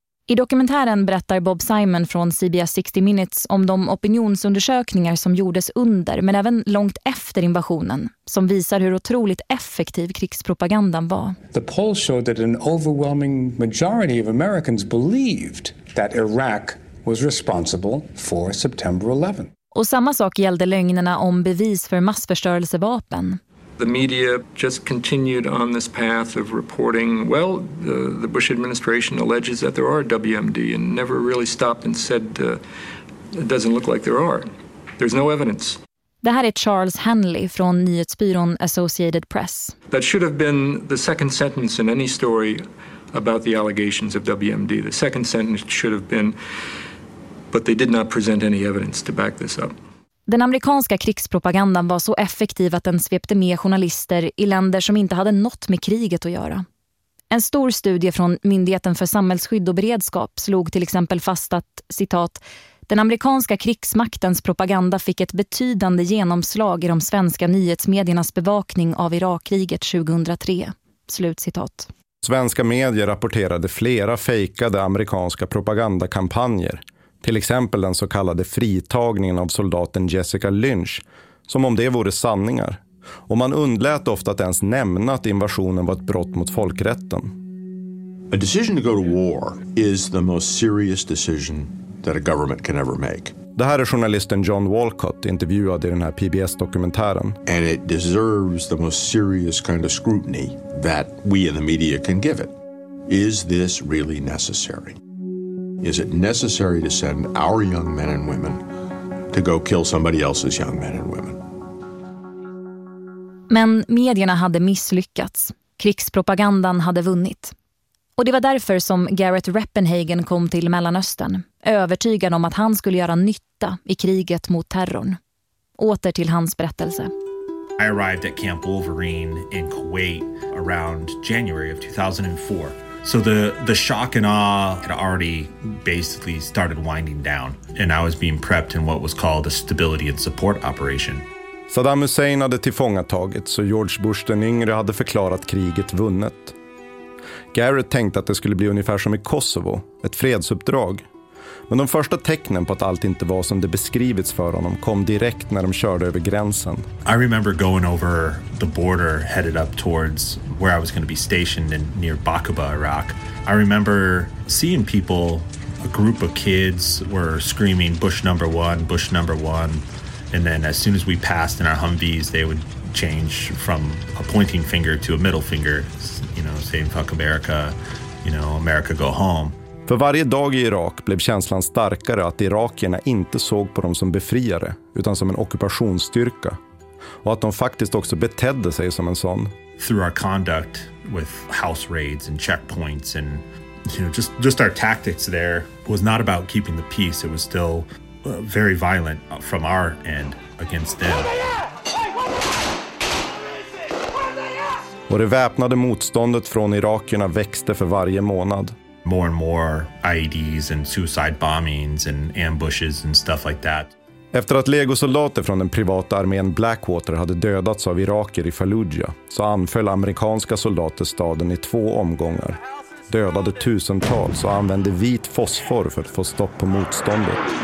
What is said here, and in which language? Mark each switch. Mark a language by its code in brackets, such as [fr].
[sv] I dokumentären berättar Bob Simon från CBS 60 Minutes om de opinionsundersökningar som gjordes under, men även långt efter invasionen, som visar hur otroligt effektiv krigspropagandan var. [en] The polls showed that an overwhelming majority of Americans believed that Iraq was responsible for September 11. [sv] Och samma sak gällde lögnerna om bevis för massförstörelsevapen. [en] The media just continued on this path of reporting, well, the Bush administration alleges that there are WMD and never really stopped and said it doesn't look like there are. There's no evidence. [sv] Det här är Charles Hanley från nyhetsbyrån Associated Press. [en] That should have been the second sentence in any story about the allegations of WMD. The second sentence should have been, but they did not present any evidence to back this up. [sv] Den amerikanska krigspropagandan var så effektiv att den svepte med journalister i länder som inte hade något med kriget att göra. En stor studie från Myndigheten för samhällsskydd och beredskap slog till exempel fast att, citat, den amerikanska krigsmaktens propaganda fick ett betydande genomslag i de svenska nyhetsmediernas bevakning av Irakkriget 2003. Slut citat. Svenska medier rapporterade flera fejkade amerikanska propagandakampanjer. Till exempel den så kallade fritagningen av soldaten Jessica Lynch, som om det vore sanningar. Och man undlät ofta att ens nämna att invasionen var ett brott mot folkrätten. [en] A decision to go to war is the most serious decision that a government can ever make. [sv] Det här är journalisten John Walcott intervjuad i den här PBS-dokumentären. [en] And it deserves the most serious kind of scrutiny that we in the media can give it. Is this really necessary? Is it necessary to send our young men and women to go kill somebody else's young men and women? [sv] Men medierna hade misslyckats. Krigspropagandan hade vunnit. Och det var därför som Garrett Rappenhagen kom till Mellanöstern, övertygad om att han skulle göra nytta i kriget mot terrorn. Åter till hans berättelse. [en] I arrived at Camp Wolverine in Kuwait around January of 2004. So the shock and awe had already basically started winding down. And I was being prepped in what was called a stability and support operation. [sv] Saddam Hussein hade tillfångatagits och George Bush den yngre hade förklarat kriget vunnet. Garrett tänkte att det skulle bli ungefär som i Kosovo, ett fredsuppdrag. Men de första tecknen på att allt inte var som det beskrivits för honom kom direkt när de körde över gränsen. [en] I remember going over the border headed up towards where I was going to be stationed in near Baquba, Iraq. I remember seeing people, a group of kids were screaming Bush number one, Bush number one. And then as soon as we passed in our Humvees, they would change from a pointing finger to a middle finger, you know, saying fuck America, you know, America go home. [sv] För varje dag i Irak blev känslan starkare att irakierna inte såg på dem som befriare utan som en ockupationsstyrka. Och att de faktiskt också betedde sig som en sån. [en] Through our conduct with house raids and checkpoints and just our tactics there was not about keeping the peace. It was still very violent from our end against them. [sv] Och det väpnade motståndet från irakierna växte för varje månad. [en] More and more IEDs and suicide bombings and ambushes and stuff like that. [sv] Efter att legosoldater från den privata armén Blackwater hade dödats av iraker i Fallujah så anföll amerikanska soldater staden i två omgångar. Dödade tusentals och använde vit fosfor för att få stopp på motståndet.